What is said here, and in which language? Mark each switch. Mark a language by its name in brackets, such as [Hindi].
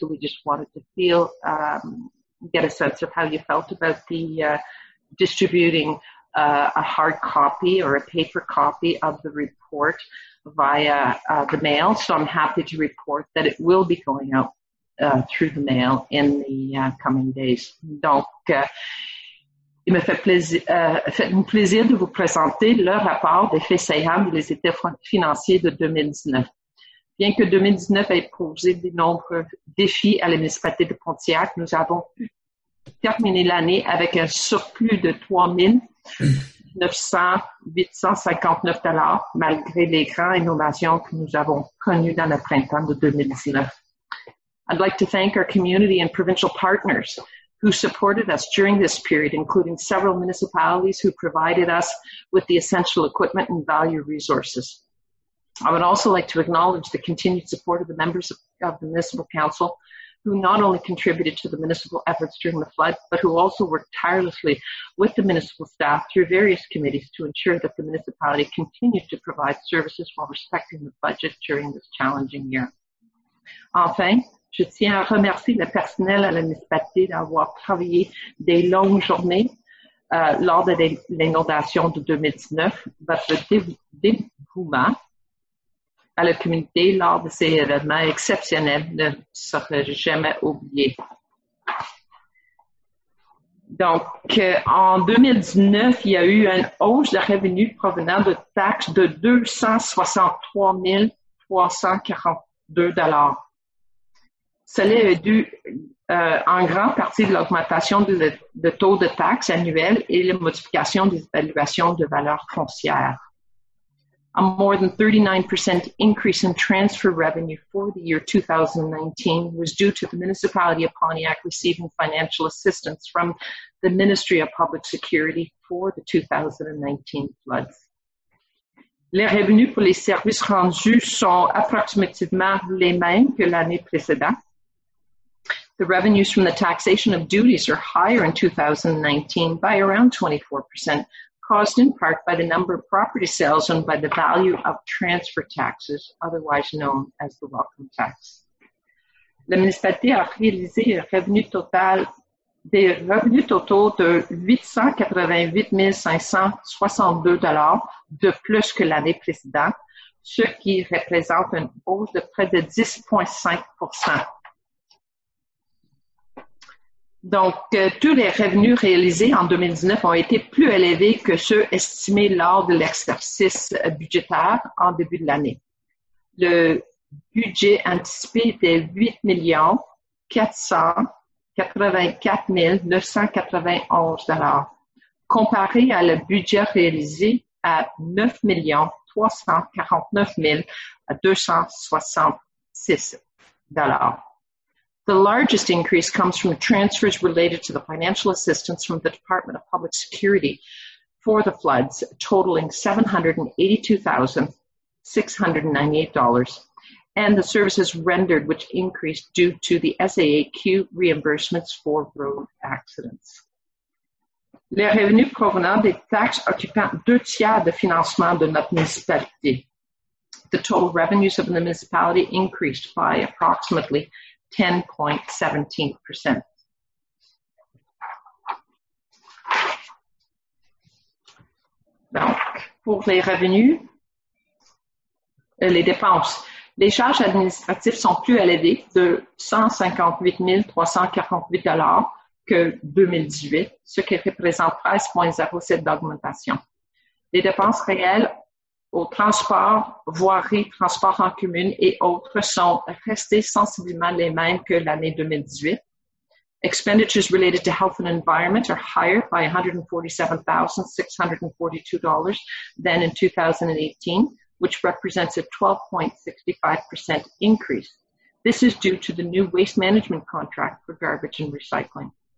[English] So we just wanted to get a sense of how you felt about the distributing a hard copy or a paper copy of the report via the mail. So I'm happy to report that it will be going out through the mail in the coming days. [French] Donc, il me fait un plaisir de vous présenter le rapport des faits saillants des états financiers de 2019. Bien que 2019 ait posé de nombreux défis à la municipalité de Pontiac, nous avons pu terminer l'année avec un surplus de 3 859 $ malgré les grandes innovations que nous avons connues dans le printemps de 2019. [English] I'd like to thank our community and provincial partners who supported us during this period, including several municipalities who provided us with the essential equipment and value resources. I would also like to acknowledge the continued support of the members of the Municipal Council, who not only contributed to the municipal efforts during the flood, but who also worked tirelessly with the municipal staff through various committees to ensure that the municipality continued to provide services while respecting the budget during this challenging year. [French] Enfin, je tiens à remercier le personnel à la municipalité d'avoir travaillé des longues journées lors de l'inondation de 2019, votre dévouement à la communauté lors de ces événements exceptionnels ne sera jamais oublié. Donc, en 2019, il y a eu une hausse de revenus provenant de taxes de $263,342. Cela est dû en grande partie de l'augmentation de taux de taxes annuelles et la modification des évaluations de valeur foncière. [English] A more than 39% increase in transfer revenue for the year 2019 was due to the municipality of Pontiac receiving financial assistance from the Ministry of Public Security for the 2019 floods. [French] Les revenus pour les services rendus sont approximativement les mêmes que l'année précédente. [English] The revenues from the taxation of duties are higher in 2019 by around 24%, caused in part by the number of property sales and by the value of transfer taxes, otherwise known as the welcome tax. [French] La municipalité a réalisé des revenus totaux de $888,562 de plus que l'année précédente, ce qui représente une hausse de près de 10,5%. Donc, tous les revenus réalisés en 2019 ont été plus élevés que ceux estimés lors de l'exercice budgétaire en début de l'année. Le budget anticipé était 8,484,911 $, comparé à le budget réalisé à 9,349,266 $. [English] The largest increase comes from transfers related to the financial assistance from the Department of Public Security for the floods, totaling $782,698, and the services rendered, which increased due to the SAAQ reimbursements for road accidents. [French] Les revenus provenant des taxes occupant deux tiers de financement de notre municipalité. [English] The total revenues of the municipality increased by approximately 10.17%. [French] Donc, pour les revenus, les dépenses. Les charges administratives sont plus élevées de 158 348 $ que 2018, ce qui représente 13,07 d'augmentation. Les dépenses réelles au transport, voirie, transport en commune et autres sont restées sensiblement les mêmes que l'année 2018. [English] Expenditures related to health and environment are higher by $147,642 than in 2018, which represents a 12.65% increase. This is due to the new waste management contract for garbage and recycling.